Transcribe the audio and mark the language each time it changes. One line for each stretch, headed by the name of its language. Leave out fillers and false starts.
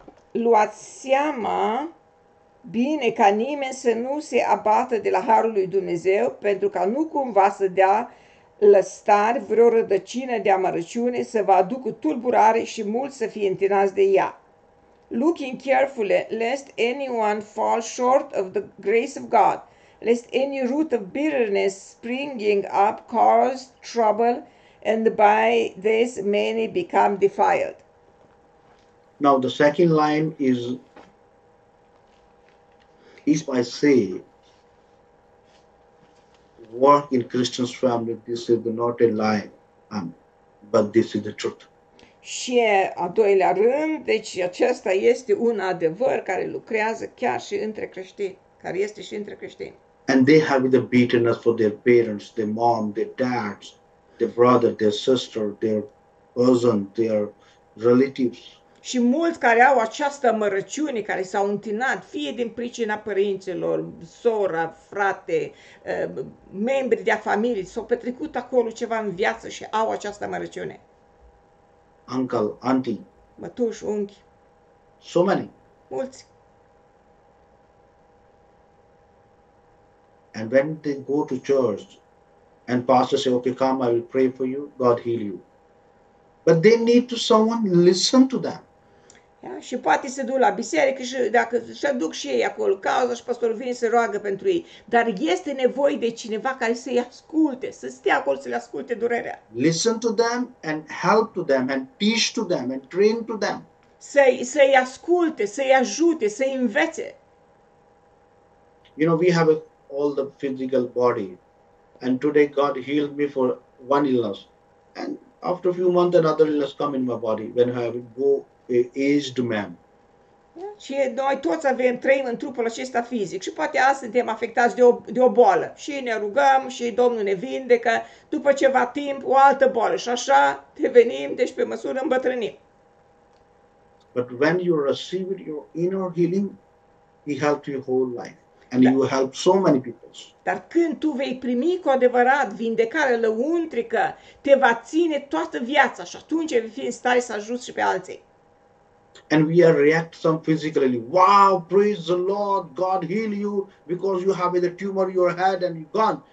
Romanian: Luați seama bine ca nimeni să nu se abată de la harul lui Dumnezeu, pentru ca nu cumva să dea lăstar vreo rădăcină de amărăciune să vă aducă tulburare și mulți să fie întinați de ea.
English: Looking carefully, lest anyone fall short of the grace of God, lest any root of bitterness springing up cause trouble, and by this many become defiled. Now the second line is by say, work in Christian's family, this is not a lie, but this is the truth.
Romanian: Și a doilea rând, deci acesta este un adevăr care lucrează chiar și între creștini, care este și între creștini.
English: And they have the bitterness for their parents, their mom, their dads, their brother, their sister, their cousin, their relatives.
Romanian: Și mulți care au această amărăciune, care s-au întinat, fie din pricina părinților, sora, frate, membri de-a familie, s-au petrecut acolo ceva în viață și au această amărăciune.
English: Uncle, auntie.
Romanian: Mătuș, unchi.
English: So many.
Romanian: Mulți.
English: And when they go to church and pastor say, okay, come, I will pray for you, God heal you. But they need to someone listen to them.
Romanian: Ia, și poate se duc la biserică și dacă se duc și ei acolo, cauza și pastorul vine să roagă pentru ei. Dar este nevoie de cineva care să-i asculte, să stea acolo, să le asculte durerea.
English: Listen to them and help to them and teach to them and train to them.
Romanian: Să-i asculte, să-i ajute, să-i învețe.
English: You know, we have all the physical body and today God healed me for one illness. And after a few months another illness come in my body when I have go aged man.
Romanian: Și noi toți avem, trăim în trupul acesta fizic și poate azi suntem afectați de o boală și ne rugăm și Domnul ne vindecă, după ceva timp o altă boală și așa devenim, deci pe măsură îmbătrânim.
English: But when you receive your inner healing, he helps your whole life and you help so many people.
Romanian: Dar când tu vei primi cu adevărat vindecarea lăuntrică, te va ține toată viața și atunci vei fi în stare să ajuți și pe alții.
English: And we are react some physically. Wow, praise the Lord, God heal you because you have the tumor in your head and you're gone.